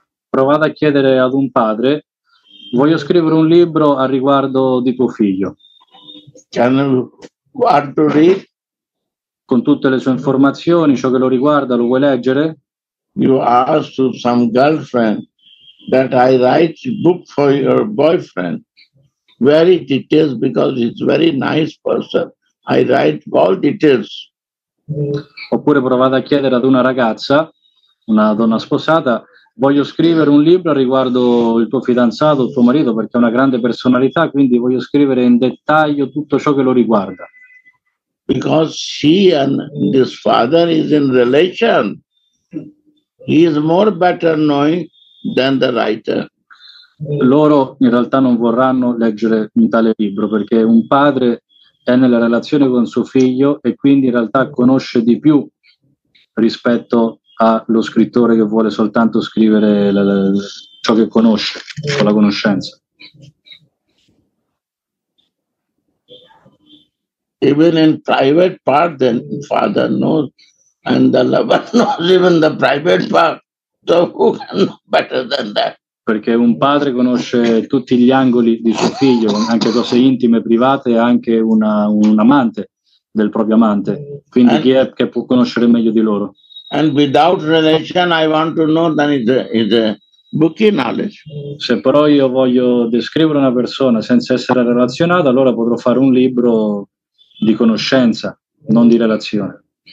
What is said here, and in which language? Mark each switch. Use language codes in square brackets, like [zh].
[it] Provate a chiedere ad un padre: voglio scrivere un libro a riguardo di tuo figlio. [en] Can you want to read? [it] Con tutte le sue informazioni, ciò che lo riguarda, lo vuoi leggere? [en] You ask to some girlfriend that I write a book for your boyfriend. Very details because he's a very nice person. I write all details. [it] Oppure provate a chiedere ad una ragazza, una donna sposata: voglio scrivere un libro riguardo il tuo fidanzato, il tuo marito, perché è una grande personalità, quindi voglio scrivere in dettaglio tutto ciò che lo riguarda. [en] Because she and this father is in relation. He is more better knowing than the writer. [it] Loro in realtà non vorranno leggere un tale libro, perché un padre è nella relazione con suo figlio e quindi in realtà conosce di più rispetto allo scrittore che vuole soltanto scrivere ciò che conosce, con la conoscenza. [en] Even in private part, then father knows, and the lover knows even the private part. So who can know better than that? [it] Perché un padre conosce tutti gli angoli di suo figlio, anche cose intime, private, e anche un amante del proprio amante. Quindi chi è che può conoscere meglio di loro? [en] And without relation, I want to know that is a booky knowledge. [it] Se però io voglio descrivere una persona senza essere relazionato, allora potrò fare un libro di conoscenza, non di relazione.